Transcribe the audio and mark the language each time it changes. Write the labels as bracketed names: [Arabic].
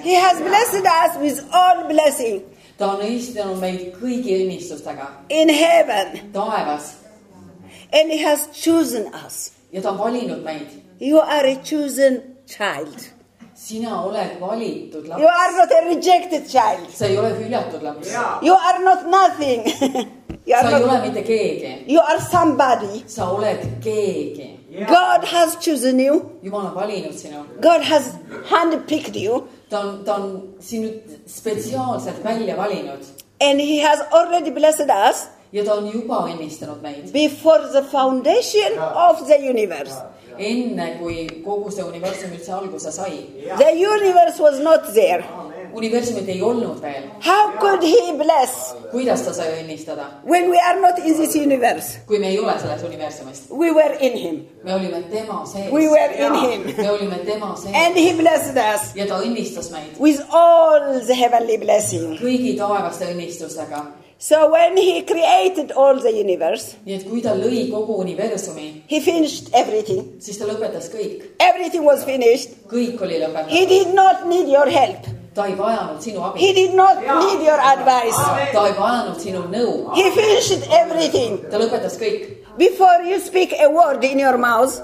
[English] He has blessed us with all blessing. [Estonian] Ta on õnnistanud meid kõigi õnnistustega. [English] In heaven. [Estonian] Taevas. [English] And he has chosen us. [Estonian] Ja ta on valinud meid. [English] You are a chosen child. [Estonian] Sina oled valitud laps. [English] You are not a rejected child. [Estonian] Sa ei ole hüljatud laps. Yeah. [English] You are not nothing. You are [Estonian] sa ei ole mitte keegi. [English] You are somebody. [Estonian] Sa oled keegi. Yeah. [English] God has chosen you. [Estonian] Jumal on valinud sinu. [English] God has handpicked you. [Estonian] Ta on sinu spetsiaalselt välja valinud. [English] And he has already blessed us. [Estonian] Ja ta on juba õnnistanud meid. [English] Before the foundation of the universe. [Estonian] Enne kui kogu see universum üldse alguse sai. [English] The universe was not there. [Estonian] universumit ei olnud veel. [English] How could he bless? [Estonian] Kuidas ta sai õnnistada? [English] When we are not in this universe. [Estonian] Kui me ei ole selles universumist. [English] We were in him. [Estonian] Me olime tema sees. [English] We were in him. [Estonian] Me olime tema sees. [English] And he blessed us. [Estonian] Ja ta õnnistas meid. [English] With all the heavenly blessing. [Estonian] Kõigi taevaste õnnistusega. [English] So when he created all the universe, [Estonian] nii et kui ta lõi kogu universumi, [English] he finished everything. [Estonian] Siis ta lõpetas kõik. [English] Everything was finished. [Estonian] Kõik oli lõpetatud. [English] He did not need your help. [Estonian] Ta ei vajanud sinu abi. [English] He did not need your advice. [Estonian] Ta ei vajanud sinu nõu. [English] He finished everything. [Estonian] Ta lõpetas kõik. [English] Before you speak a word in your mouth,